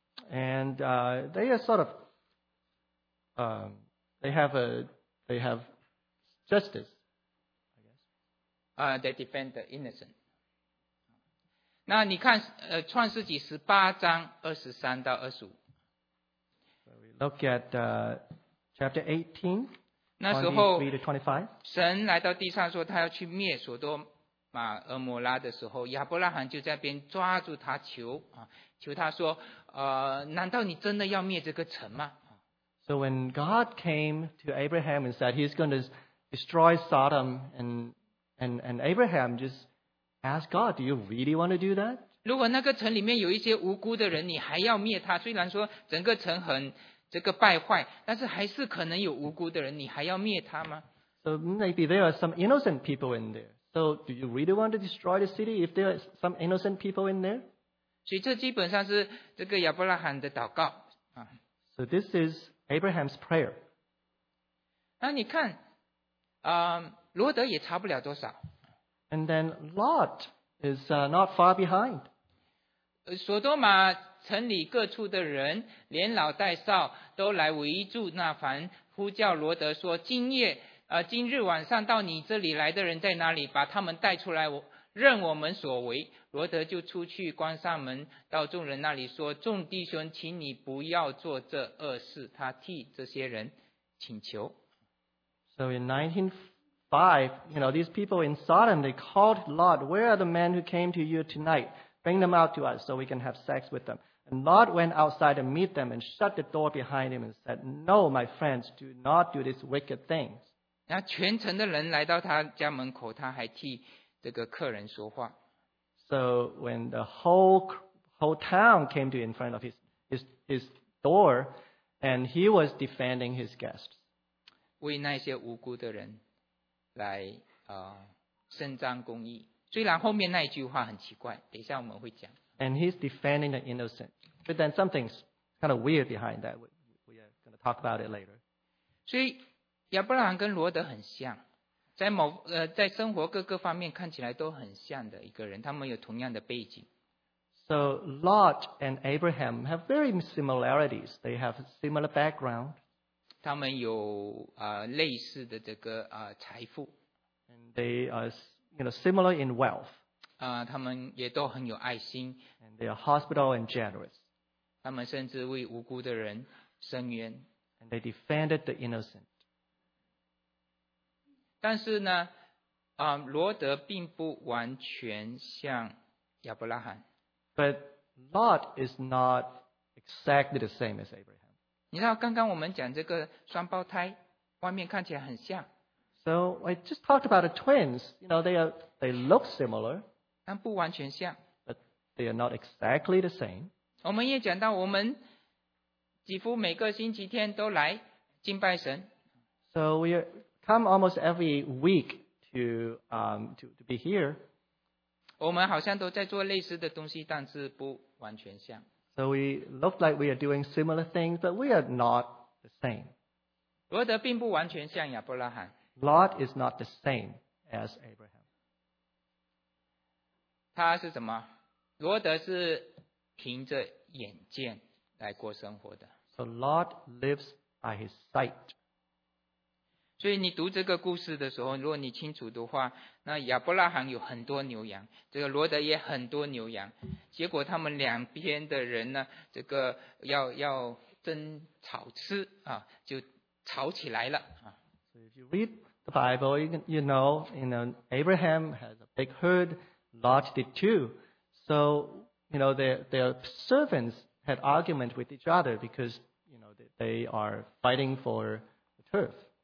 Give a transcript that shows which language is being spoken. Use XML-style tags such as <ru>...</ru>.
<en>And they are sort of they have justice, I guess. They defend the innocent.</en> <zh>那你看创世纪十八章二十三到二十五。</zh> <en>So we look at chapter 18.</en> <zh>那时候</zh> <en>23 to 25.</en> <zh>神来到地上说他要去灭所多玛俄摩拉的时候，亚伯拉罕就在边抓住他求他说难道你真的要灭这个城吗？</zh> <en>So when God came to Abraham and said he's going to destroy Sodom, and Abraham justAsk God, do you really want to do that?</en> <zh>如果那个城里面有一些无辜的人，你还要灭他？虽然说整个城很这个败坏，但是还是可能有无辜的人，你还要灭他吗？</zh> <en>So maybe there are some innocent people in there. So do you really want to destroy the city if there are some innocent people in there?</en> <zh>所以这基本上是这个亚伯拉罕的祷告。</zh> <en>So this is Abraham's prayer.</en> <zh>那你看，罗德也差不了多少。</zh> <en>And then Lot is not far behind.</en> <zh>所多玛城里各处的人，连老带少都来围住那房，呼叫罗德说：“今日晚上到你这里来的人在哪里？把他们带出来，任我们所为。” 罗德就出去关上门，到众人那里说：“众弟兄，请你不要做这恶事。” 他替这些人请求。</zh> <en>So in 19:5, you know, these people in Sodom, they called Lot, "Where are the men who came to you tonight? Bring them out to us so we can have sex with them." And Lot went outside to meet them and shut the door behind him and said, "No, my friends, do not do these wicked things."</en> <zh>那全城的人来到他家门口，他还替这个客人说话。</zh> <en>So when the whole whole town came to in front of his door, and he was defending his guests.</en> <zh>为那些无辜的人来伸张公义。虽然后面那一句话很奇怪，等一下我们会讲。</zh> <en>And he's defending the innocent, but then something's kind of weird behind that. We are going to talk about it later.</en> <zh>所以亚伯拉罕跟罗德很像，在某在生活各个方面看起来都很像的一个人，他们有同样的背景。</zh> <en>So Lot and Abraham have very similarities. They have similar background.</en> <zh>他们有类似的这个财富。</zh> <en>And they are similar in wealth.</en> <zh>他们也都很有爱心。</zh> <en>And they are hospitable and generous.</en> <zh>他们甚至为无辜的人伸冤。</zh> <en>And they defended the innocent.</en> <zh>但是呢，罗德并不完全像亚伯拉罕。</zh> <en>But Lot is not exactly the same as Abraham.</en> <zh>你知道刚刚我们讲这个双胞胎，外面看起来很像。</zh> <en>So I just talked about the twins. You know, they look similar.</en> <zh>但不完全像。</zh> <en>But they are not exactly the same.</en> <zh>我们也讲到我们几乎每个星期天都来敬拜神。</zh> <en>So we come almost every week to be here.</en> <zh>我们好像都在做类似的东西，但是不完全像。</zh> <en>So we look like we are doing similar things, but we are not the same.</en> <zh>罗德并不完全像亚伯拉罕。</zh> <en>Lot is not the same as Abraham.</en> <zh>他是什么？罗德是凭着眼见来过生活的。</zh> <en>So Lot lives by his sight.</en> <zh>所以你读这个故事的时候，如果你清楚的话，那亚伯拉罕有很多牛羊，这个罗德也很多牛羊，结果他们两边的人呢，这个要争草吃啊，就吵起来了。</zh> <en>So if you read the Bible, you know, Abraham has a big herd, Lot did too. So, you know, their servants had argument with each other because, you know, they are fighting for the turf.</en>